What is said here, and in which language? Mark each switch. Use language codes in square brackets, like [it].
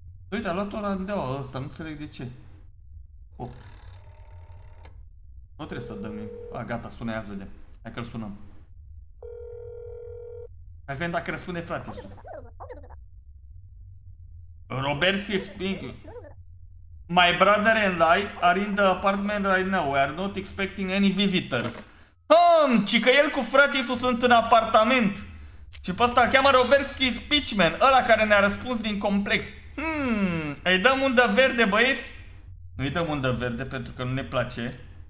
[ro] Uite, a luat-o randeaua ăsta, nu înțeleg de ce. 8. Nu trebuie să dăm. A, gata, sună ia să vedem. Hai că-l sunăm. Hai să vedem dacă răspunde frate. [en] Robert is speaking. My brother and I are in the apartment right now. We are not expecting any visitors. [ro] Ci că el cu frate-su sunt în apartament. Și pe ăsta îl cheamă Roberski Speechman, ăla care ne-a răspuns din complex. Îi dăm undă verde, băieți? Nu îi dăm undă verde pentru că nu ne place.